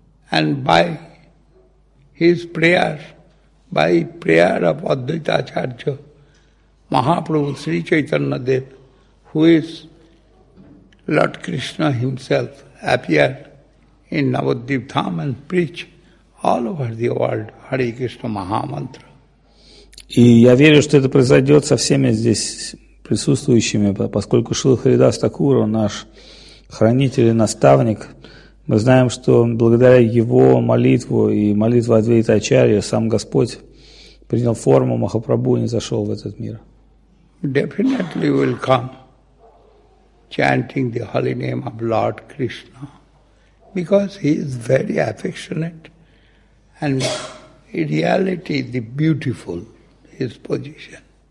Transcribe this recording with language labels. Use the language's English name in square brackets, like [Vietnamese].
[English] And by his prayer, by prayer of Advaita Acharya, Mahaprabhu Sri Chaitanya Dev, who is Lord Krishna himself, appeared in Navadvip Dham and preach all over the world Hare Krishna Mahamantra. [Russian] И я верю, что это произойдет со всеми здесь присутствующими, поскольку Шрила Харидас Такур, наш хранитель и наставник, мы знаем, что благодаря его молитву и молитве Адвайта Ачарьи сам Господь принял форму Махапрабху и зашел в этот мир. [English] Definitely will come. chanting the holy name of Lord Krishna, because he is very affectionate, and in reality the beautiful his position.